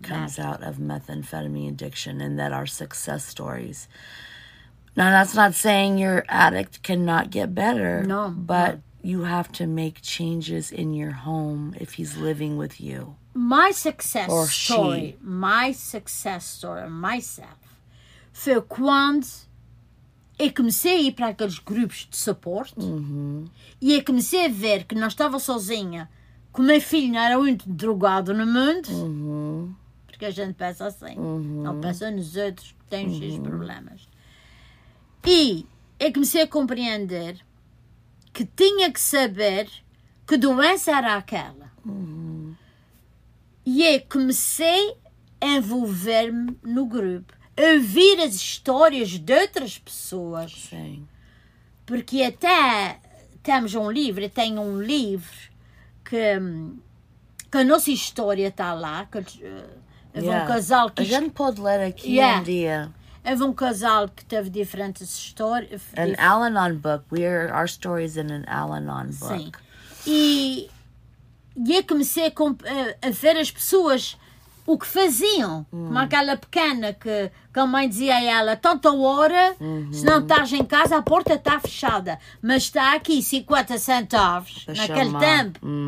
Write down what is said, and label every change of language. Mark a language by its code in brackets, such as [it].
[en] comes out of methamphetamine addiction, and that are success stories. Now, that's not saying your addict cannot get better. No. But you have to make changes in your home if he's living with you. My success story, myself, [pt] foi quando eu comecei a ir para aqueles grupos de suporte e eu comecei a ver que não estava sozinha, que o meu filho não era muito drogado no mundo. Porque a gente pensa assim. Não pensa nos outros que têm os problemas. E eu comecei a compreender que tinha que saber que doença era aquela. Uhum. E eu comecei a envolver-me no grupo, a ouvir as histórias de outras pessoas. Sim. Porque até temos um livro, eu tenho um livro que a nossa história está lá, que houve um casal que... A gente pode ler aqui um dia. Houve um casal que teve diferentes histórias. [en] An Al-Anon book. We are, our story is in an Al-Anon book. [pt] Sim. E eu comecei a ver as pessoas, o que faziam. Como aquela pequena que a mãe dizia a ela, tanta hora, se não estás em casa, a porta está fechada. Mas está aqui 50 centavos, para naquele chamar. Tempo.